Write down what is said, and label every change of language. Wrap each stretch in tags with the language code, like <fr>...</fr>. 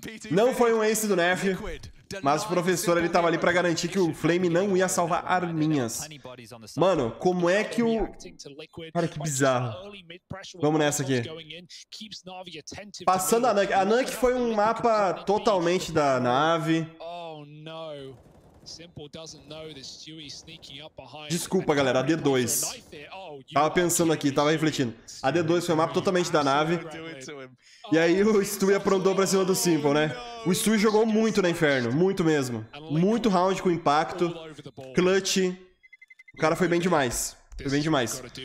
<pt>Não foi um ace do Nef, mas o professor ele tava ali pra garantir que o Flame não ia salvar arminhas. Mano, como é que o... Cara, que bizarro. Vamos nessa aqui. Passando a Nuke. A Nuke foi um mapa totalmente da nave. Oh, não.</pt> <en>Simple doesn't know this Stewie sneaking up behind.</en> <pt>Desculpa, galera, a D2. Tava pensando aqui, tava refletindo. A D2 foi um mapa totalmente da nave. E aí o Stewie aprontou pra cima do Simple, né? O Stewie jogou muito na Inferno, muito mesmo. Muito round com impacto. Clutch. O cara foi bem demais. Foi bem demais.</pt>